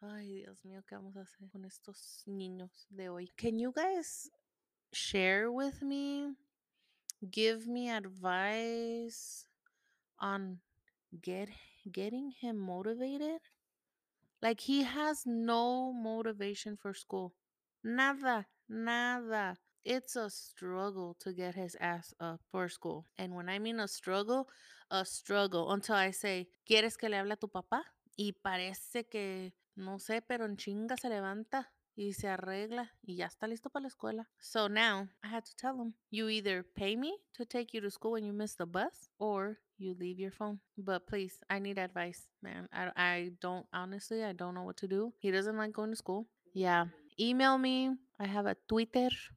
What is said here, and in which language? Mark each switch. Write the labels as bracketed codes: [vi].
[es] Ay, Dios mío, ¿qué vamos a hacer con estos niños de hoy? [en] Can you guys share with me, give me advice on getting him motivated? Like, he has no motivation for school. [es] Nada, nada. [en] It's a struggle to get his ass up for school. And when I mean a struggle until I say, [es] ¿quieres que le hable a tu papá? Y parece que, no sé, pero en chinga se levanta y se arregla y ya está listo para la escuela. [en] So now, I had to tell him, you either pay me to take you to school when you miss the bus, or you leave your phone. But please, I need advice, man. I don't know what to do. He doesn't like going to school. Yeah. Email me. I have a Twitter.